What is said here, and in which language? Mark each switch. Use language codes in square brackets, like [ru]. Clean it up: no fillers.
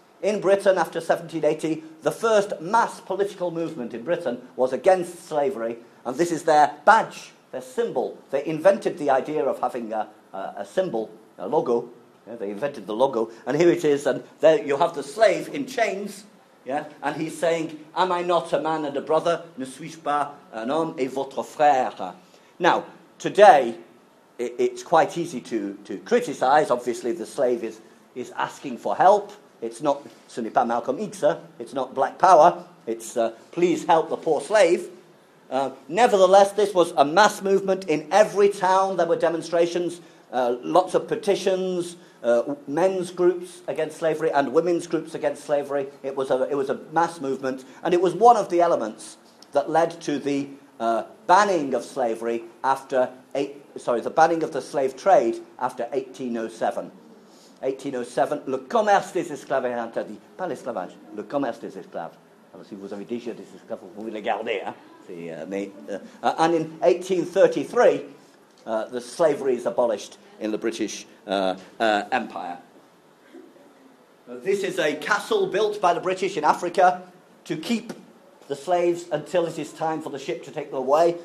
[en] In Britain after 1780, the first mass political movement in Britain was against slavery. And this is their badge, their symbol. They invented the idea of having a symbol, a logo. Yeah, they invented the logo. And here it is. And there you have the slave in chains. Yeah, and he's saying, "Am I not a man and a brother? [fr] Ne suis-je pas un homme et votre frère?" [en] Now, today, it's quite easy to criticise. Obviously, the slave is asking for help. It's not, [fr] ce n'est pas Malcolm X, [en] it's not Black Power. It's please help the poor slave. Nevertheless, this was a mass movement. In every town, there were demonstrations, lots of petitions, men's groups against slavery and women's groups against slavery. It was a mass movement, and it was one of the elements that led to the banning of slavery after the banning of the slave trade after 1807. [fr] 1807, le commerce des esclaves est interdit. Pas l'esclavage, le commerce des esclaves. Alors si vous avez déjà des esclaves, vous pouvez les garder. [en] And in 1833, the slavery is abolished in the British Empire. This is a castle built by the British in Africa to keep the slaves until it is time for the ship to take them away.